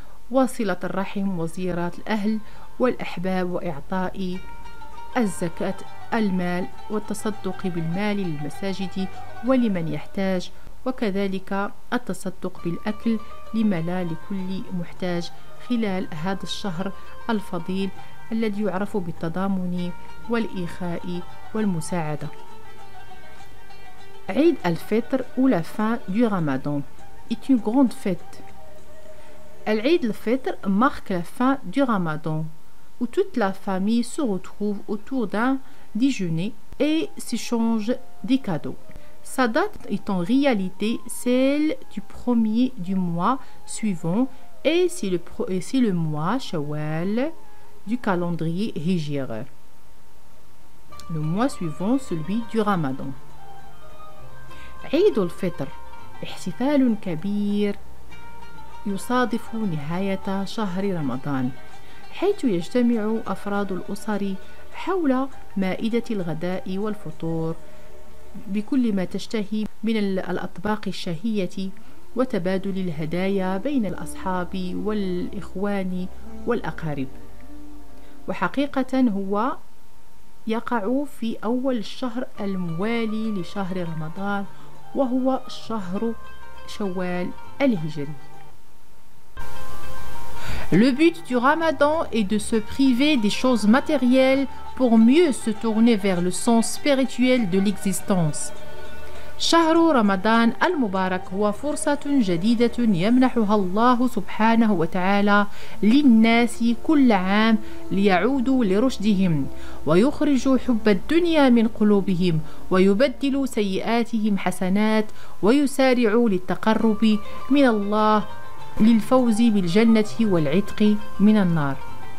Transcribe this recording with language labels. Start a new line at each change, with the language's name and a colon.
Arabic: وصلة الرحم وزيارات الأهل والأحباب وإعطاء الزكاة المال والتصدق بالمال للمساجد ولمن يحتاج، وكذلك التصدق بالأكل لما لا لكل محتاج خلال هذا الشهر الفضيل الذي يعرف بالتضامن والإخاء والمساعدة.
French: عيد الفطر أو لا فان دو رمضان est une grande fête. العيد الفطر marque la fin du Ramadan où toute la famille se retrouve autour d'un déjeuner et s'échange des cadeaux. Sa date est en réalité celle du premier du mois suivant et c'est le mois Shawwal du calendrier Hijri. Le mois suivant, celui du Ramadan.
Arabic: عيد الفطر احتفال كبير يصادف نهاية شهر رمضان، حيث يجتمع أفراد الأسر حول مائدة الغداء والفطور بكل ما تشتهي من الأطباق الشهية وتبادل الهدايا بين الأصحاب والإخوان والأقارب. وحقيقة هو يقع في أول الشهر الموالي لشهر رمضان وهو شهر شوال الهجري.
French: Le but du Ramadan est de se priver des choses matérielles pour mieux se tourner vers le sens spirituel de l'existence.
Arabic: شهر رمضان المبارك هو فرصة جديدة يمنحها الله سبحانه وتعالى للناس كل عام ليعودوا لرشدهم ويخرجوا حب الدنيا من قلوبهم ويبدلوا سيئاتهم حسنات ويسارعوا للتقرب من الله للفوز بالجنة والعتق من النار.